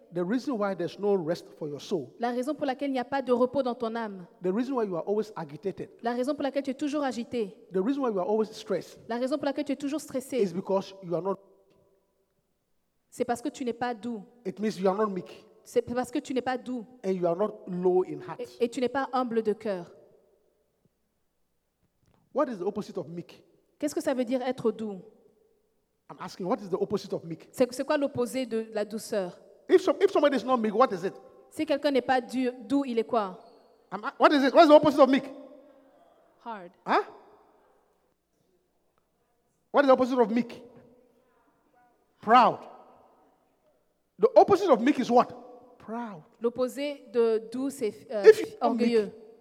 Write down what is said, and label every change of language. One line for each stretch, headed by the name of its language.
English: The reason why there's no rest for your soul.
French: La raison pour laquelle il n'y a pas de repos dans ton âme.
English: The reason why you are always agitated.
French: La raison pour laquelle tu es toujours agité.
English: The reason why you are always stressed.
French: La raison pour laquelle tu es toujours stressé.
English: Is because you are not.
French: C'est parce que tu n'es pas doux.
English: It means you are not meek.
French: C'est parce que tu n'es pas doux.
English: And you are not low in heart.
French: Et tu n'es pas humble de cœur.
English: What is the opposite of meek?
French: Qu'est-ce que ça veut dire être doux?
English: I'm asking, what is the opposite of meek?
French: C'est quoi l'opposé de la douceur?
English: If somebody is not meek, what is it?
French: Si quelqu'un n'est pas doux, il est quoi?
English: What is it? What is the opposite of meek? Hard. Huh? What is the opposite of meek? Proud. The opposite of meek is what? Proud.
French: L'opposé de doux, c'est orgueilleux.